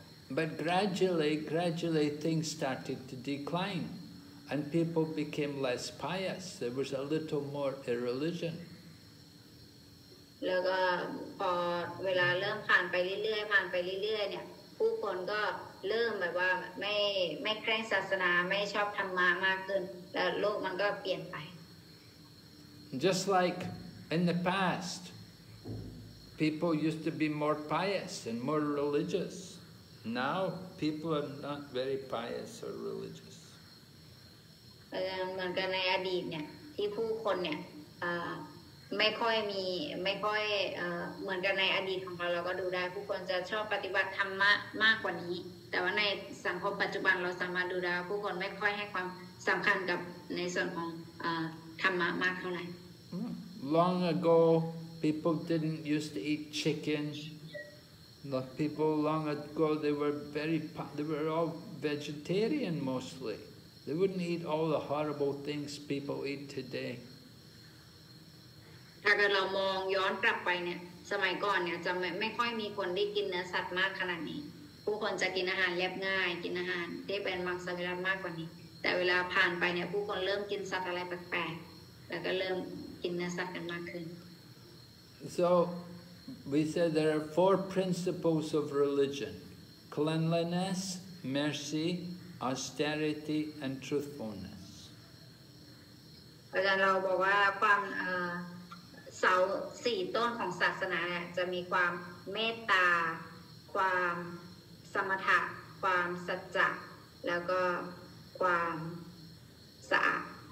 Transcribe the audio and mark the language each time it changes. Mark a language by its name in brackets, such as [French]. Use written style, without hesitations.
[English] But gradually things started to decline and people became less pious. There was a little more irreligion. [Thai] แล้วก็พอเวลาเริ่มผ่านไปเรื่อยๆผ่านไปเรื่อยๆเนี่ย ผู้คนก็เริ่มแบบว่าไม่เคร่งศาสนาไม่ชอบธรรมะมากขึ้นแล้วโลกมันก็เปลี่ยนไป [English] Just like in the past people used to be more pious and more religious now people are not very pious or religious [Thai] เหมือนกันในอดีตเนี่ยที่ผู้คนเนี่ยไม่ค่อยเหมือนกันในอดีตของเราเราก็ดูได้ผู้คนจะชอบปฏิบัติธรรมะมากกว่านี้แต่ว่าในสังคมปัจจุบันเราสามารถดูได้ผู้คนไม่ค่อยให้ความสำคัญกับในส่วนของธรรมะมากเท่าไหร่ [English] Long ago people didn't used to eat chicken not people long ago they were all vegetarian mostly they wouldn't eat all the horrible things people eat today. [Thai] ถ้าเกิดเรามองย้อนกลับไปเนี่ยสมัยก่อนเนี่ยจะไม่ค่อยมีคนได้กินเนื้อสัตว์มากขนาดนี้ผู้คนจะกินอาหารเรียบง่ายกินอาหารที่เป็นมังสวิรัติมากกว่านี้แต่เวลาผ่านไปเนี่ยผู้คนเริ่มกินสัตว์อะไรแปลกๆแล้วก็เริ่มกินเนื้อสัตว์กันมากขึ้น [English] So we said there are four principles of religion: cleanliness, mercy, austerity, and truthfulness. [Thai] เราบอกว่าความเสาสี่ต้นของศาสนาเนี่ยจะมีความเมตตาความสมถะความสัจจะแล้วก็ความสะอาด